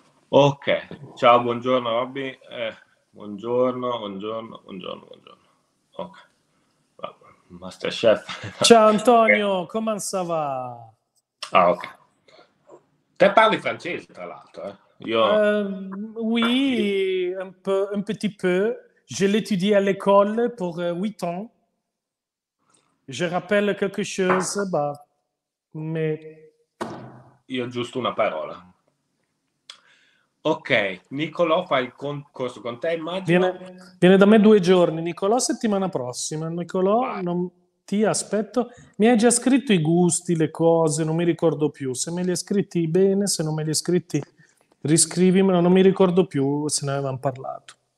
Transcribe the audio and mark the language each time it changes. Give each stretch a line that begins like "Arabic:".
Italian: Ok, ciao, buongiorno Robby. Buongiorno, buongiorno, buongiorno, buongiorno. Ok, MasterChef. Ciao Antonio, come va? Ah, ok. Te parli francese, tra l'altro, eh? Io.
French: Oui, un petit peu. Je l'étudie à l'école pour 8 ans. Je rappelle quelque chose, bah, mais.
Italian: Io giusto una parola. Ok, Nicolò fa il corso con te, immagino. Viene da me 2 giorni, Nicolò, settimana prossima. Nicolò, Vai. non. Ti aspetto, mi hai già scritto i gusti, le cose, non mi ricordo più. Se me li hai scritti bene, se non me li hai scritti, riscrivimelo, non mi ricordo più se ne avevamo parlato.